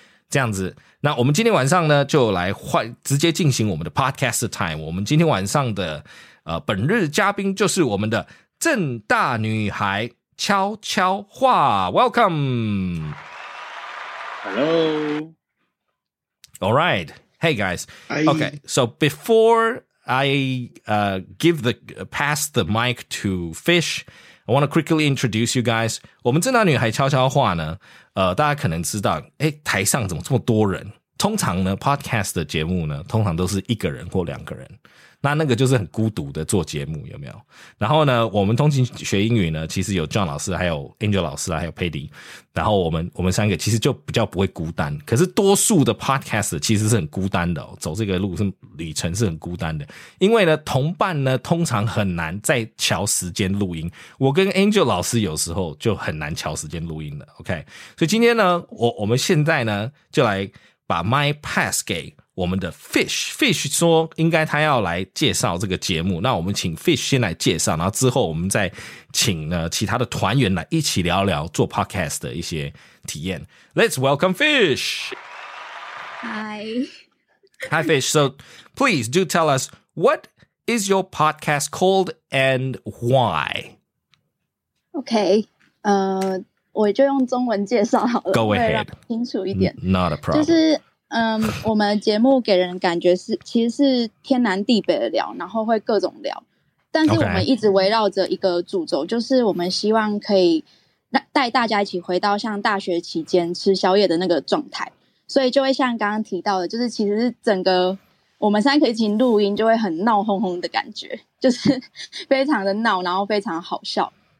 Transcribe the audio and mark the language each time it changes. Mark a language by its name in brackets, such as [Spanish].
[Chinese] 这样子，那我们今天晚上呢，就来直接进行我们的 podcast time。我们今天晚上的本日嘉宾就是我们的政大女孩悄悄话 ， [English] Welcome。 Hello。 All right。 Hey guys, okay, so before I give pass the mic to Fish, I want to quickly introduce you guys. [Chinese] 我们正大女孩悄悄话呢，大家可能知道，诶，台上怎么这么多人？通常呢 ,podcast 的节目呢，通常都是一个人或两个人。那个就是很孤独的做节目，有没有？然后呢，我们通勤学英语呢，其实有 John 老师，还有 Angel 老师啊，还有 Paddy， 然后我们三个其实就比较不会孤单。可是多数的 podcast 其实是很孤单的，走这个路是旅程是很孤单的，因为呢，同伴呢通常很难再调时间录音。我跟 Angel 老师有时候就很难调时间录音了。 OK， 所以今天呢，我们现在呢就来把 My Pass 给我们的 Fish 说应该他要来介绍这个节目，那我们请 Fish 先来介绍，然后之后我们再请呢其他的团员来一起聊聊做 podcast 的一些体验。 [English] Let's welcome Fish. Hi Fish, so please do tell us what is your podcast called and why. [Chinese] Okay, 我就用中文介绍好了。 [English] Go ahead. [Chinese] 清楚一点。 [English] Not a problem. [Chinese] 就是我们节目给人感觉是其实是天南地北的聊，然后会各种聊，但是我们一直围绕着一个主轴，就是我们希望可以带大家一起回到像大学期间吃宵夜的那个状态，所以就会像刚刚提到的，就是其实整个我们三个一起录音就会很闹哄哄的感觉，就是非常的闹，然后非常好笑。